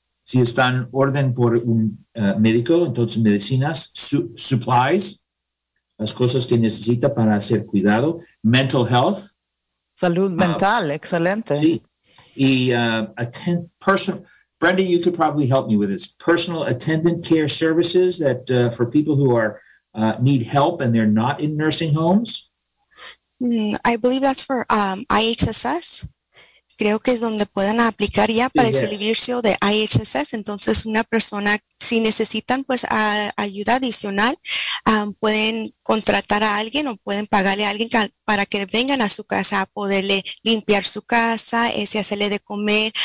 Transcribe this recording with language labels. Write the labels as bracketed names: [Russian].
[Spanish] Si están orden por un médico, entonces medicinas, supplies, las cosas que necesita para hacer cuidado, [English] mental health. [Spanish] Salud mental, excelente. Sí. Y personal, [English] Brenda, you could probably help me with this. Personal attendant care services for people who need help and they're not in nursing homes. I believe that's for IHSS. [Spanish] Creo que es donde pueden aplicar ya para el [English] Yes. [Spanish] servicio de IHSS. Entonces, una persona, si necesitan pues ayuda adicional, pueden contratar a alguien o pueden pagarle a alguien para que vengan a su casa a poderle limpiar su casa, hacerle de comer.